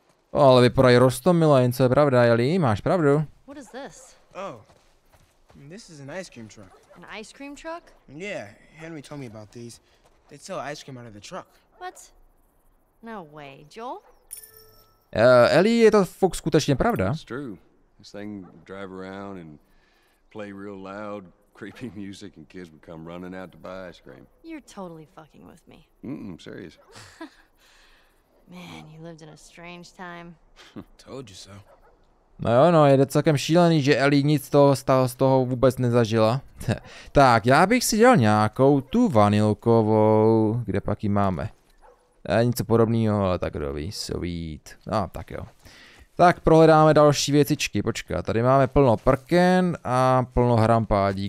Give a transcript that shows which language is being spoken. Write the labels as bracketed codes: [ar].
[cs] O, ale vypadají roztomilé, jen co je pravda, Eli, máš pravdu. [en] What is this? Oh, this is an ice cream truck. An ice cream truck? Yeah, Henry told me about these. They sell ice cream out of the truck. What? No way, Joel? [cs] Eli, je to fakt skutečně pravda? [en] It's true. This thing drive around and play real loud, creepy music, and kids would come running out to buy ice cream. You're totally fucking with me. Mm-mm, serious. Man, you lived in a strange time. Told you so. [cs] No jo, no, je celkem šílený, že Ellie nic z toho vůbec nezažila. Tak, já bych si dělal nějakou tu vanilkovou, kde pak ji máme. Něco podobného, ale tak kdo ví, sweet. No, tak jo. Tak, prohledáme další věcičky, počkat, tady máme plno prken a plno hrampádí.